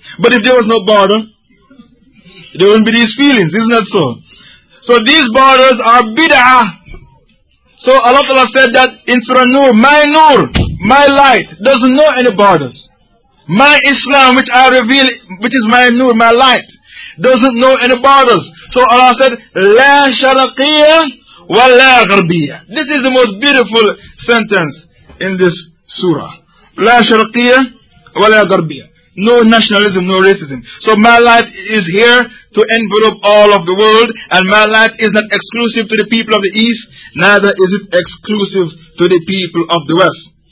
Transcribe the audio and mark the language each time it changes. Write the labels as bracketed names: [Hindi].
[English] But if there was no border, there wouldn't be these feelings. Isn't that so? So these borders are bid'ah. So Allah Ta'ala said that in Surah Nur, my Nur, my light, doesn't know any borders. My Islam, which I reveal, which is my Nur, my light, doesn't know any borders. So Allah said, [Arabic] لا شرقية ولا غربية. [English] This is the most beautiful sentence in this surah. [Arabic] لا شرقية ولا غربية. [English] No nationalism, no racism. So my light is here to envelop all of the world, and my light is not exclusive to the people of the East, neither is it exclusive to the people of the West.